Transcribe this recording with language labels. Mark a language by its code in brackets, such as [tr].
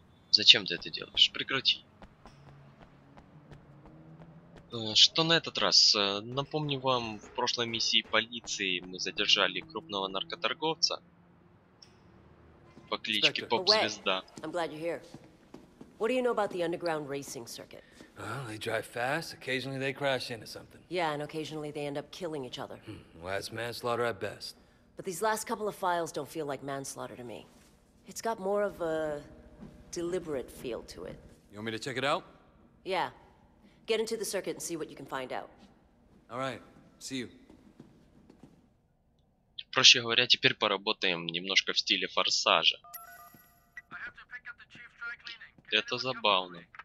[ru] Зачем ты это делаешь? Прекрати. Что на этот раз? Напомню вам, в прошлой миссии полиции мы задержали крупного наркоторговца по кличке Поп-звезда. [en] I'm glad you're here. What do you know about the underground racing circuit? Well, they drive fast, occasionally they crash into something. Yeah, and occasionally they end up killing each other. Well, that's manslaughter at best. But these last couple of files don't feel like manslaughter to me. It's got more of a deliberate feel to it. You want me to check it out? Yeah. Get into the circuit and see what you can find out. All right. See you. [ru] Проще говоря, теперь поработаем немножко в стиле форсажа. Это забавно.